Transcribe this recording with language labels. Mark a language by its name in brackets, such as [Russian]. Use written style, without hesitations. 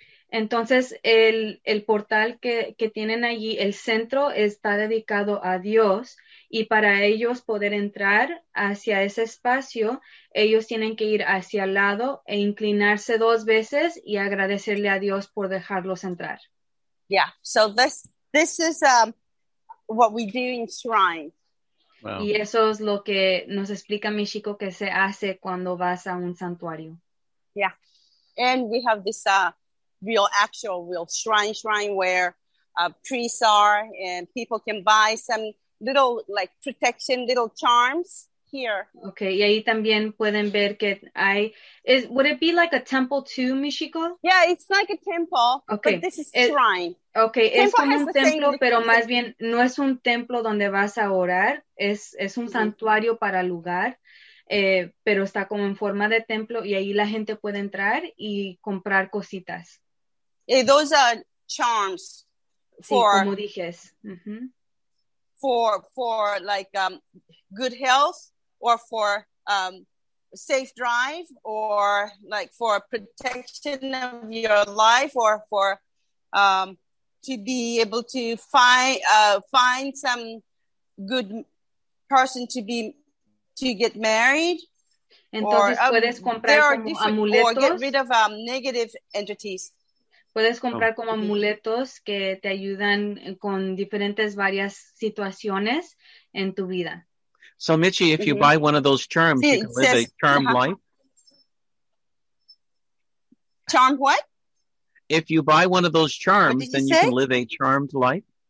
[Spanish] Entonces, el portal que tienen allí, el centro, está dedicado a Dios, y para ellos poder entrar hacia ese espacio, ellos tienen que ir hacia el lado e inclinarse dos veces y agradecerle a Dios por dejarlos entrar. [English] Yeah, so this is what we do in shrine. Wow. [Spanish] Y eso es lo que nos explica Michiko que se hace cuando vas a un santuario. [English] Yeah, and we have this... real shrine where priests are, and people can buy some little like protection, little charms here. [Spanish] Okay, y ahí también pueden ver que [English] would it be like a temple too, [Spanish] Michiko? [English] Yeah, it's like a temple, okay. But this is shrine. [Spanish] Okay, temple es como un templo, pero más bien no es un templo donde vas a orar, es un santuario para lugar. Pero está como en forma de templo, y ahí la gente puede entrar y comprar cositas. [English] Hey, those are charms for, [Spanish] sí, como dices. [English] For like good health, or for safe drive, or like for protection of your life, or for to be able to find some good person to get married. [Spanish] Entonces, puedes comprar como amuletos, [English] or get rid of negative entities. [Spanish] Puedes comprar como amuletos que te ayudan con diferentes varias situaciones en tu vida. [English] So Michi, if you buy one of those charms, you can live a charm life. Charm what? If you buy one of those charms, then you can live a charmed life.